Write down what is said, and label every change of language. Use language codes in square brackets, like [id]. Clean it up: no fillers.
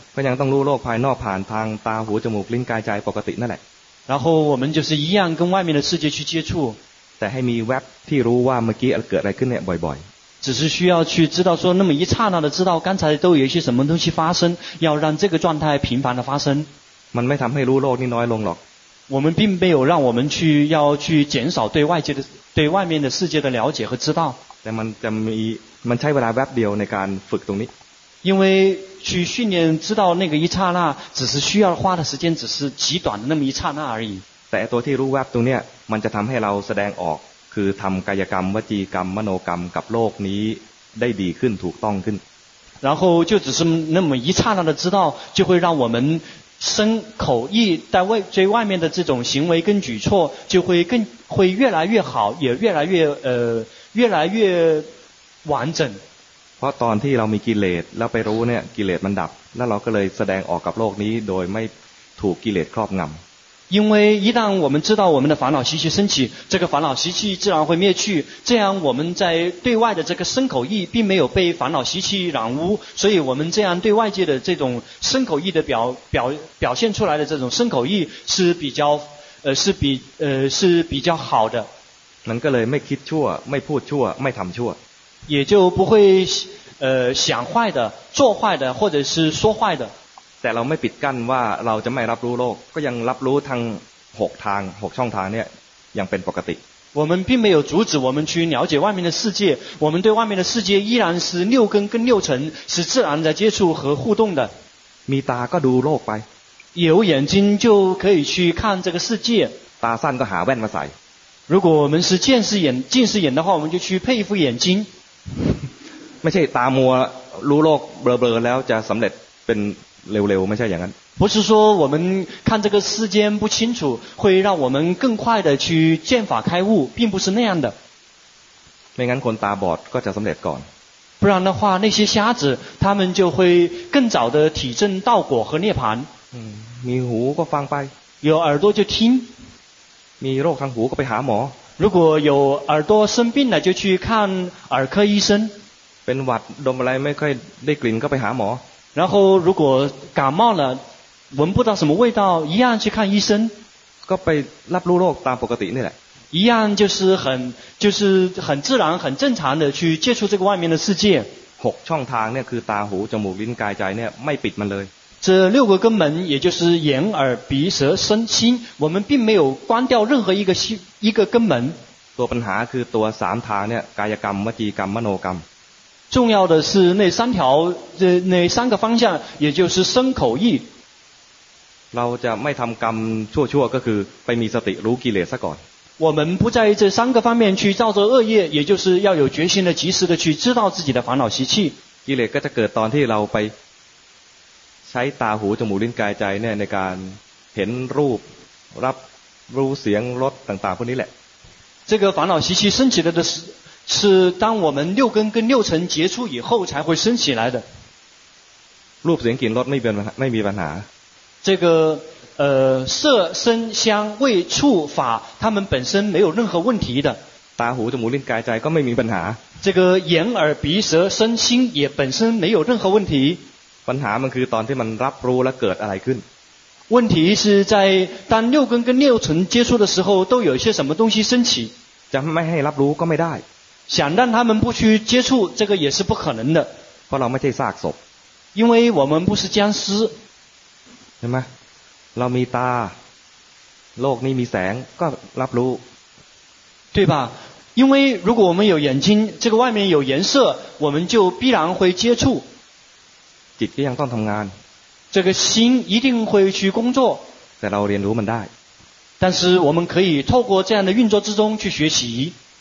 [th] ก็ยังต้องรู้โลกภายนอกผ่านทางตาหูจมูกลิ้นกายใจปกตินั่นแหละ [zh] 然后我们就是一样跟外面的世界去接触 [th] แต่ให้มีแวบที่รู้ว่าเมื่อกี้เกิดอะไรขึ้นเนี่ยบ่อยๆ [zh] 只是需要去知道说那么一刹那的知道刚才都有一些什么东西发生要让这个状态频繁的发生 [th] มันไม่ทำให้รู้โลกนี่น้อยลงหรอก [zh] 我们并没有让我们去要去减少对外面的世界的了解和知道 [th] แต่มันใช้เวลาแวบเดียวในการฝึกตรงนี้ [zh] 因为去训练知道那个一刹那只是需要花的时间只是极短的那么一刹那而已 [th] แต่ตัวที่รู้แวบตรงเนี้ยมันจะทำให้เราแสดงออกคือทำกายกรรมวจีกรรมมโนกรรมกับโลกนี้ได้ดีขึ้นถูกต้องขึ้น [zh] 然后就只是那么一刹那的知道就会让我们身口意在外最外面的这种行为跟举措就会更会越来越好也越来越越来越完整 [th] เพราะตอนที่เรามีกิเลสแล้วไปรู้เนี่ยกิเลสมันดับแล้วเราก็เลยแสดงออกกับโลกนี้โดยไม่ถูกกิเลสครอบงำ [zh] 因为一旦我们知道我们的烦恼习气升起这个烦恼习气自然会灭去这样我们在对外的这个身口意并没有被烦恼习气染污所以我们这样对外界的这种身口意的表现出来的这种身口意是比较是比较好的。 [th] มันก็เลยไม่คิดชั่วไม่พูดชั่วไม่ทำชั่ว [zh] 也就不会想坏的做坏的或者是说坏的 [th] แต่เราไม่ปิดกั้นว่าเราจะไม่รับรู้โลกก็ยังรับรู้ทางหกทางหกช่องทางเนี่ยยังเป็นปกติ [zh] 我们并没有阻止我们去了解外面的世界我们对外面的世界依然是六根跟六尘是自然的接触和互动的 [th] มีตาก็ดูโลกไป [zh] 有眼睛就可以去看这个世界 [th] ตาสั้นก็หาแว่นมาใส่ [zh] 如果我们是见识眼近视眼的话我们就去配一副眼睛 [th] ไม่ใช่ตามัวรู้โลกเบลอๆแล้วจะสำเร็จเป็นเร็วๆไม่ใช่อย่างนั้น [zh] 不是说我们看这个世间不清楚会让我们更快的去见法开悟并不是那样的 [th] ไม่งั้นคนตาบอดก็จะสำเร็จก่อน [zh] 不然的话那些瞎子他们就会更早的体证道果和涅槃 [th] มีหูก็ฟังไป [zh] 有耳朵就听 [th] มีโรคทางหูก็ไปหาหมอ [zh] 如果有耳朵生病了就去看耳科医生 [th] เป็นหวัดดมอะไรไม่ค่อยได้กลิ่นก็ไปหาหมอ [zh] 然后如果感冒了闻不到什么味道一样去看医生 [th] ก็ไปรับรู้โรคตามปกตินี่แหละ [zh] 一样就是很自然很正常的去接触这个外面的世界 [th] หกช่องทางเนี่ยคือตาหูจมูกลิ้นกายใจเนี่ยไม่ปิดมันเลย [zh] 这六个根门也就是眼耳鼻舌身心我们并没有关掉任何一个根门 [th] ตัวปัญหาคือตัวสามทางเนี่ยกายกรรมวจีกรรมมโนกรรม [zh] 重要的是那三条那三个方向也就是身口意 [th] เราจะไม่ทำกรรมชั่วๆก็คือไปมีสติรู้กิเลสซะก่อน [zh] 我们不在这三个方面去造作恶业也就是要有决心的及时的去知道自己的烦恼习气 [th] กิเลสก็จะเกิดตอนที่เราไปใช้ตาหูจมูกลิ้นกายใจเนี่ยในการเห็นรูปรับรู้เสียงรสต่างๆพวกนี้แหละ [zh] 这个烦恼习气升起来的是当我们六根跟六尘接触以后才会升起来的 [th] รูปเสียงกลิ่นรสไม่มีปัญหา [zh] 这个色声香味触法它们本身没有任何问题的 [th] ตาหูจมูกลิ้นกายใจก็ไม่มีปัญหา [zh] 这个眼耳鼻舌身心也本身没有任何问题 [th] ปัญหามันคือตอนที่มันรับรู้และเกิดอะไรขึ้น [zh] 问题是在当六根跟六尘接触的时候都有一些什么东西升起 [th] จะไม่ให้รับรู้ก็ไม่ได้ [zh] 想让他们不去接触这个也是不可能的 [th] เพราะเราไม่ใช่ซากศพ [zh] 因为我们不是僵尸 [th] เห็นไหมเรามีตาโลกนี้มีแสงก็รับรู้ [zh] 对吧因为如果我们有眼睛这个外面有颜色我们就必然会接触 [th] จิตก็ยังต้องทำงาน [zh] 这个心一定会去工作 [th] แต่เราเรียนรู้มันได้ [zh] 但是我们可以透过这样的运作之中去学习